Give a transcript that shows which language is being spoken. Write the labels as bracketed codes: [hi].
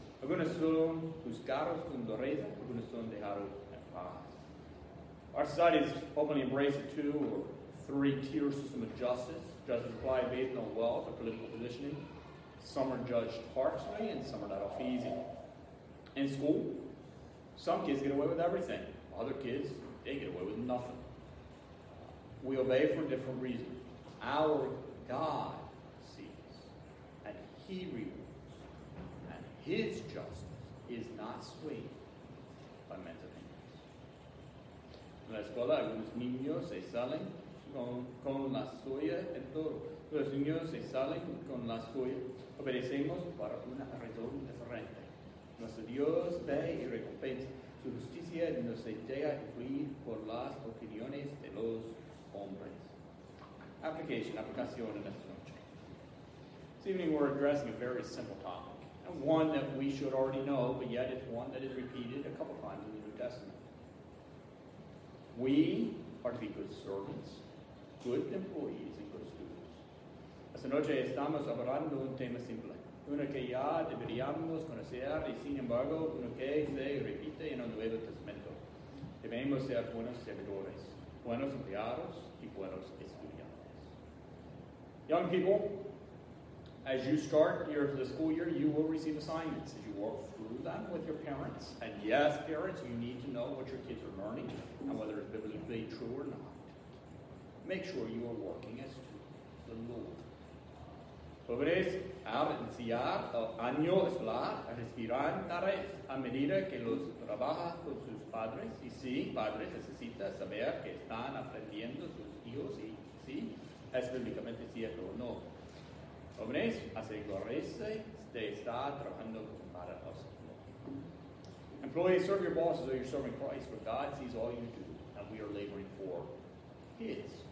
[es] Algunos son juzgados con dureza, algunos son dejados en paz. [en] Our society has openly embraced a two or three-tier system of justice. Justice applied based on wealth or political positioning. Some are judged harshly and some are not off easy. In school, some kids get away with everything. Other kids, they get away with nothing. We obey for a different reason. Our God sees, and He rewards, and His justice is not swayed by men's opinions. [es] En la escuela, algunos niños se salen con la suya en todo. Los niños se salen con la suya. Obedecemos para una razón diferente. Nuestro Dios ve y recompensa. Su justicia no se deja influir por las opiniones de los hombres. Aplicación en esta noche. [en] This evening we're addressing a very simple topic, and one that we should already know, but yet it's one that is repeated a couple times in the New Testament. We are to be good servants, good employees, and good students. [es] Esta noche estamos hablando un tema simple, uno que ya deberíamos conocer, y sin embargo, uno que se repite en el Nuevo Testamento. Debemos ser buenos servidores. Buenos empleados y buenos estudiantes. [en] Young people, as you start the school year, you will receive assignments. As you walk through them with your parents, and yes, parents, you need to know what your kids are learning and whether it's biblically true or not. Make sure you are working as to the Lord. [es] Jóvenes, al iniciar el año escolar, recibirán tareas a medida que los trabaja con sus padres. Y sí, padres necesitan saber que están aprendiendo sus hijos, y sí, es bíblicamente cierto o no. Jóvenes, asegúrese de estar trabajando con para el Señor. [en] Employees, serve your bosses or you're serving Christ, for God sees all you do, and we are laboring for His.